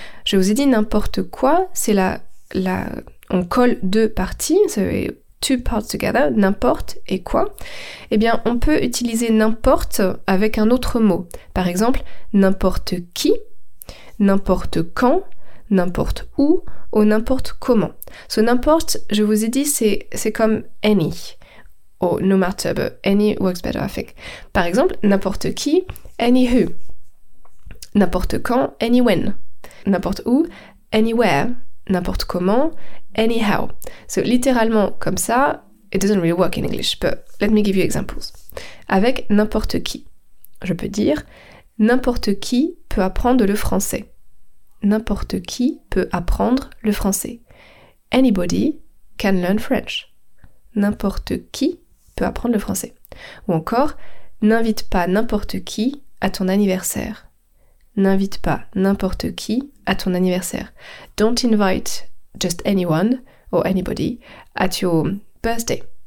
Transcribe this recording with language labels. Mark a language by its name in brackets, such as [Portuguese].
[French] Je vous ai dit n'importe quoi, c'est on colle deux parties, c'est [English] two parts together, [French] n'importe et quoi. Eh bien, on peut utiliser n'importe avec un autre mot. Par exemple, n'importe qui, n'importe quand, n'importe où ou n'importe comment. So, n'importe, je vous ai dit, c'est comme any. [English] Oh, no matter, but any works better, I think. [French] Par exemple, n'importe qui, [English] any who. [French] N'importe quand, [English] any when. [French] N'importe où, [English] anywhere. [French] N'importe comment, [English] anyhow. So, [French] littéralement, comme ça, [English] it doesn't really work in English, but let me give you examples. [French] Avec n'importe qui, je peux dire, n'importe qui peut apprendre le français. N'importe qui peut apprendre le français. [English] Anybody can learn French. [French] N'importe qui peut apprendre le français. Ou encore, n'invite pas n'importe qui à ton anniversaire. N'invite pas n'importe qui à ton anniversaire. [English] Don't invite just anyone or anybody at your birthday.